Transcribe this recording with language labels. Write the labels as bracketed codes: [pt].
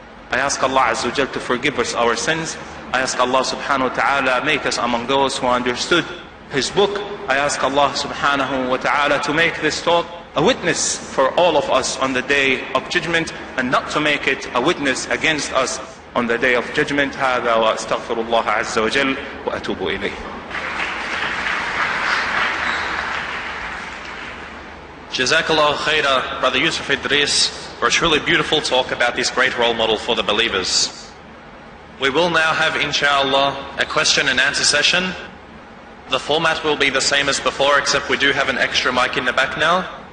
[en] I ask Allah Azza wa Jal to forgive us our sins. I ask Allah subhanahu wa ta'ala make us among those who understood his book. I ask Allah subhanahu wa ta'ala to make this talk a witness for all of us on the day of judgment, and not to make it a witness against us on the day of judgment. [ar] هذا واستغفر الله عز وجل واتوب اليه. [en] Jazakallah khaira, Brother Yusuf Idris, for a truly beautiful talk about this great role model for the believers. We will now have, inshallah, a question and answer session. The format will be the same as before, except we do have an extra mic in the back now.